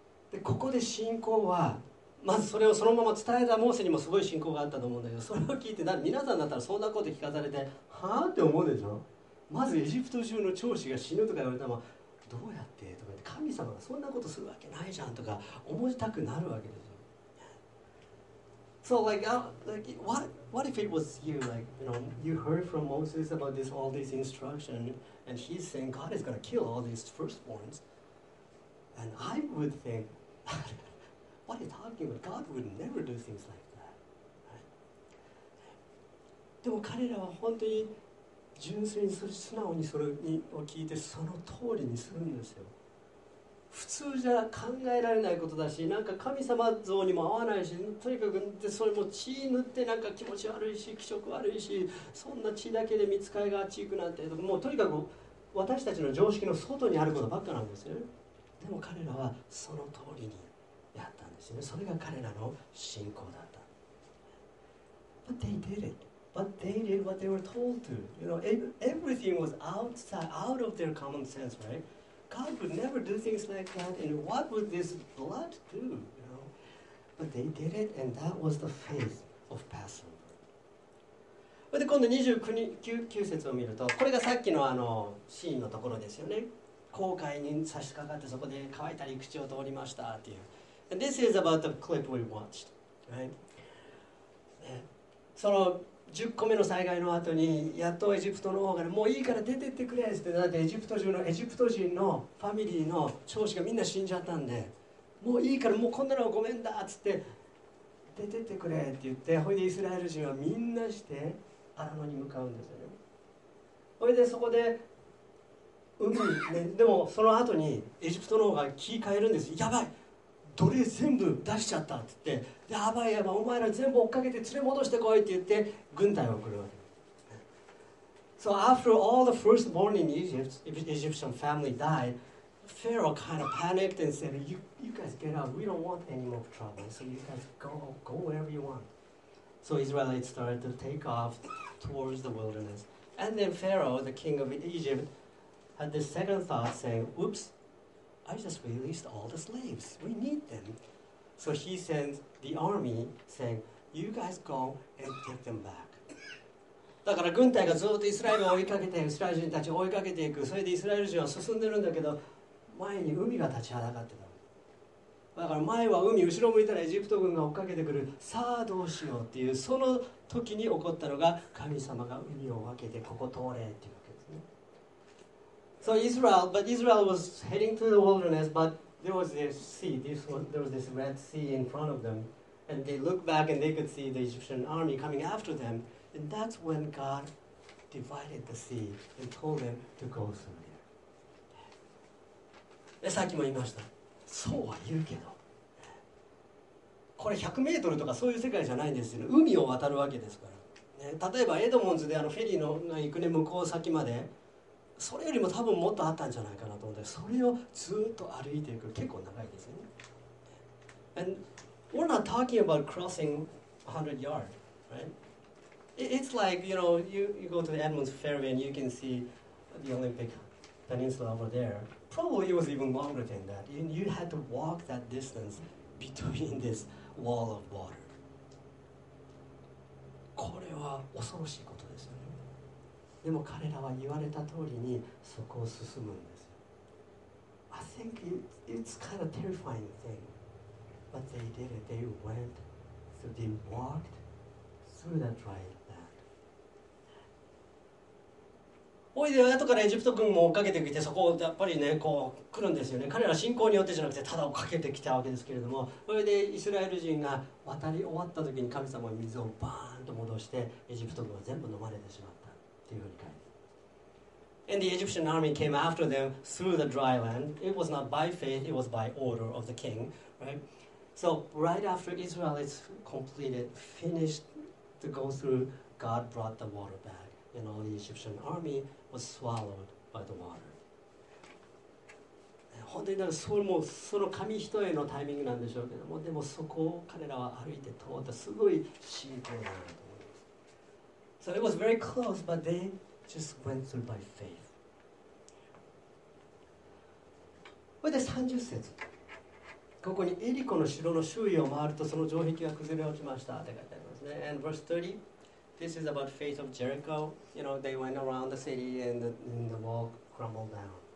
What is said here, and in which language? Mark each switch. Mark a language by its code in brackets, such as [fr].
[ja] でここで信仰は、まずそれをそのまま伝えたモーセにもすごい信仰があったと思うんだけど、それを聞いて、皆さんだったらそんなこと聞かされて、はぁって思うでしょ。まずエジプト中の長子が死ぬとか言われたら、どうやってとか言って、神様がそんなことするわけないじゃんとか思いたくなるわけですよ。 [en] So like what if it was you, like, you know, you heard from Moses about this, all this instruction, and he's saying God is going to kill all these firstborns. And I would think, what are you talking about? God would never do things like that. [ja] でも彼らは本当に純粋に素直にそれを聞いてその通りにするんですよ。普通じゃ考えられないことだし、なんか神様像にも合わないし、とにかくでそれも血塗ってなんか気持ち悪いし、気色悪いし、そんな血だけで見つかりがあっち行くなんて、もうとにかく私たちの常識の外にあることばっかなんですよ。でも彼らはその通りにやったんですよね。それが彼らの信仰だった。 [en] But they did it. But they did what they were told to. You know, everything was outside, out of their common sense, right? God would never do things like that, and what would this blood do, you know? But they did it, and that was the faith of Passover. [ja] で、今度29節を見ると、これがさっきのあのシーンのところですよね。航海に差し掛かって、そこで乾いたり口を通りましたっていう。 [en] And this is about the clip we watched, right? [ja] その10個目の災害の後にやっとエジプトの王が、ね、もういいから出てってくれって、だってエジプト中のエジプト人のファミリーの長子がみんな死んじゃったんで、もういいからもうこんなのはごめんだっつって出てってくれって言って、ほいでイスラエル人はみんなしてアラノに向かうんですよね。ほいでそこで海、ね、でもその後にエジプトの王が気変えるんです。やばい、奴隷全部出しちゃったって言って、やばいやばい、お前ら全部追っかけて連れ戻してこいって言って軍隊を送るわけ。 [en] So after all the firstborn in Egypt, Egyptian family died, Pharaoh kind of panicked and said, you guys get out, we don't want any more trouble, so you guys go wherever you want. So Israelites started to take off towards the wilderness. And then Pharaoh, the king of Egypt, had this second thought saying, oops,I just released all the slaves. We need them. So he sends the army saying, you guys go and take them back. [ja] だから軍隊がずっとイスラエルを追いかけて、イスラエル人たちを追いかけていく。それでイスラエル人は進んでるんだけど、前に海が立ちはだかってた。だから前は海、後ろ向いたらエジプト軍が追っかけてくる。さあどうしようっていう、その時に起こったのが、神様が海を分けてここ通れっていう。 [en] So Israel, but Israel was heading to the wilderness, but there was this sea, there was this Red Sea in front of them. And they looked back and they could see the Egyptian army coming after them. And that's when God divided the sea and told them to go through there. [ja] さっきも言いました。そうは言うけど。これ100メートルとかそういう世界じゃないんですよね。海を渡るわけですから。ね、例えばエドモンズであのフェリーのが行くね、向こう先まで。それよりも多分もっとあったんじゃないかなと思って、それをずっと歩いていく、結構長いですね。 [en] And we're not talking about crossing 100 yards, right? It's like, you know, you go to the Edmonds Ferry and you can see the Olympic Peninsula over there. Probably it was even longer than that. You had to walk that distance between this wall of water. [ja] これは恐ろしいことですよね。でも彼らは言われた通りにそこを進むんですよ。 [en] I think it's kind of terrifying thing. But they did it. They went. So they walked through that dry land. [ja] おいで、後からエジプト軍も追っかけてきて、そこをやっぱりね、こう来るんですよね。彼ら信仰によってじゃなくて、ただ追っかけてきたわけですけれども、それでイスラエル人が渡り終わった時に、神様は水をバーンと戻して、エジプト軍は全部飲まれてしまったというふうに書いてます。 [en] And the Egyptian army came after them through the dry land. It was not by faith, it was by order of the king, right? So right after Israelites completed, finished to go through, God brought the water back, and all the Egyptian army was swallowed by the water. [ja] 本当にそれもその紙一重のタイミングなんでしょうけども、でもそこを彼らは歩いて通ったすごい信仰だなと思います。 [en] So it was very close, but they just went through by faith. [ja] これで30節。ここにエリコの城の周囲を回るとその城壁が崩れ落ちましたって書いてありますね。 [en] And verse 30, this is about faith of Jericho. You know, they went around the city and the wall crumbled down.